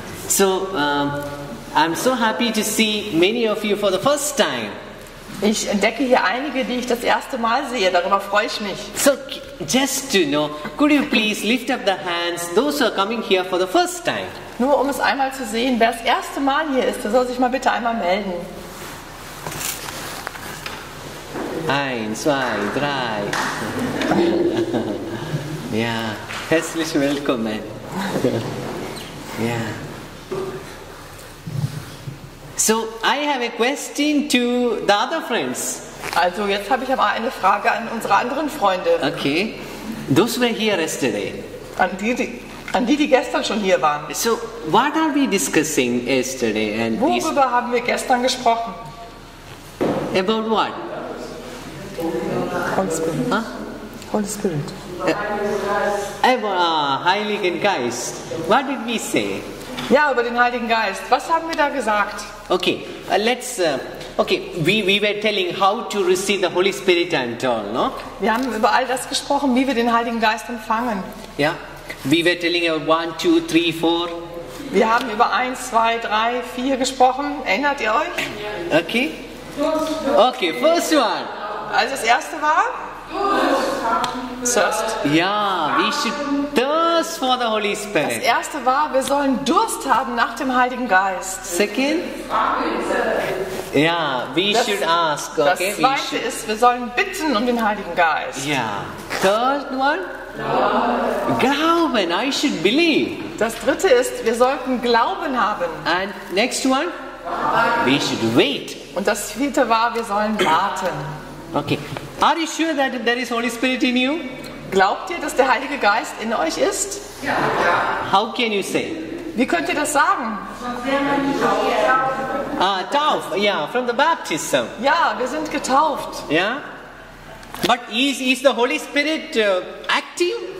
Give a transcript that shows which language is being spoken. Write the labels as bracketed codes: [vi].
[en] So, I'm so happy to see many of you for the first time. [de] Ich entdecke hier einige, die ich das erste Mal sehe. Darüber freue ich mich. [en] So, just to know, could you please lift up the hands, those who are coming here for the first time? [de] Nur um es einmal zu sehen, wer das erste Mal hier ist, der soll sich mal bitte einmal melden. 1, 2, 3. Ja, herzlich willkommen. Ja. [en] So, I have a question to the other friends. [de] Also, jetzt habe ich aber eine Frage an unsere anderen Freunde. [en] Okay. Those were here yesterday. [de] An die gestern schon hier waren. [en] So, what are we discussing yesterday? [de] And worüber haben wir gestern gesprochen? [en] About what? Holy Spirit. Huh? Holy Spirit. Heiligen Geist. What did we say? [de] Ja, über den Heiligen Geist. Was haben wir da gesagt? [en] Okay, we were telling how to receive the Holy Spirit and all, no? [de] Wir haben über all das gesprochen, wie wir den Heiligen Geist empfangen. [en] Ja, yeah. We were telling about 1, 2, 3, 4. [de] Wir haben über 1, 2, 3, 4 gesprochen. Erinnert ihr euch? [en] Okay. Okay, first one. [de] Also das erste war? Thirst. [en] Ja, yeah, we should thirst for the Holy Spirit. [de] Das erste war, wir sollen Durst haben nach dem Heiligen Geist. [en] Second? Ja, yeah, we should ask, okay? [de] Das zweite ist, wir sollen bitten um den Heiligen Geist. [en] Ja. Yeah. Third one? Glauben, I should believe. [de] Das dritte ist, wir sollten Glauben haben. [en] And next one? We should wait. [de] Und das vierte war, wir sollen warten. [en] Okay. Are you sure that there is Holy Spirit in you? [de] Glaubt ihr, dass der Heilige Geist in euch ist? Ja. [en] How can you say? [de] Wie könnt ihr das sagen? [en] Taufe, yeah, from the baptism. [de] Ja, wir sind getauft. [en] Yeah. But is the Holy Spirit active?